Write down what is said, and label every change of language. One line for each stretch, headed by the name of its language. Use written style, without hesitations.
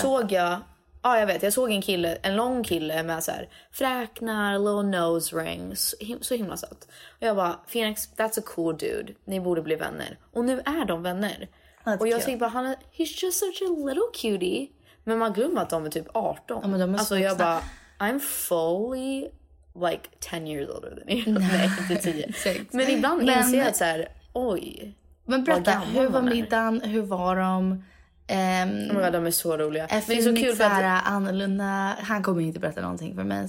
Swedish: Såg jag, ja jag vet, jag såg en kille, en lång kille med så här fräknar,
English: little nose rings.
Swedish: Så himla söt. Och jag bara,
English: Phoenix, that's a cool dude.
Swedish: Ni borde bli vänner. Och nu är de vänner.
English: That's
Swedish: och jag tänkte bara,
English: he's just such a little cutie.
Swedish: Men man glömmer att de är typ 18. Ja, men de är alltså vuxna. Jag bara,
English: I'm fully like 10 years older than you.
Swedish: Nej, inte 10. Men ibland men... inser jag så här, oj. Men berätta, hur var middagen? Hur var de?
English: Oh God,
Swedish: de är så roliga. Men det är så kul för att... annorlunda. Han kommer inte berätta någonting för mig.